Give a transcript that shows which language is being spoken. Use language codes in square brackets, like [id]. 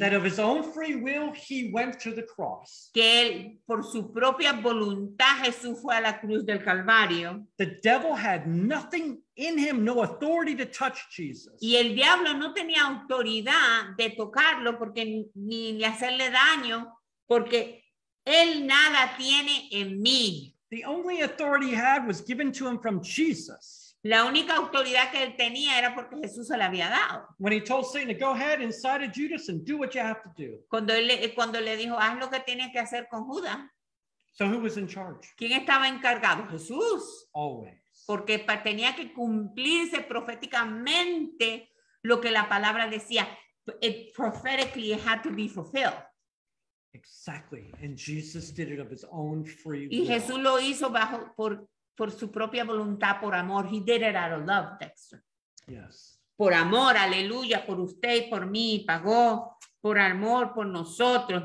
[en] That of his own free will, he went to the cross. [es] Que él, por su propia voluntad, Jesús fue a la cruz del Calvario. [en] The devil had nothing in him, no authority to touch Jesus. [es] Y el diablo no tenía autoridad de tocarlo, porque ni hacerle daño, porque él nada tiene en mí. [en] The only authority he had was given to him from Jesus. [es] La única autoridad que él tenía era porque Jesús se la había dado. [en] When he told Satan to go ahead inside of Judas and do what you have to do. [es] Cuando le dijo, haz lo que tienes que hacer con Judas. [en] So who was in charge? [es] ¿Quién estaba encargado? Jesús. [en] Always. [es] Porque tenía que cumplirse proféticamente lo que la palabra decía. [en] Prophetically, it had to be fulfilled. Exactly, and Jesus did it of his own free will. [es] Y Jesús lo hizo bajo por su propia voluntad, por amor. [en] He did it out of love, Dexter. Yes. [es] Por amor, aleluya, por usted y por mí, pagó por amor por nosotros.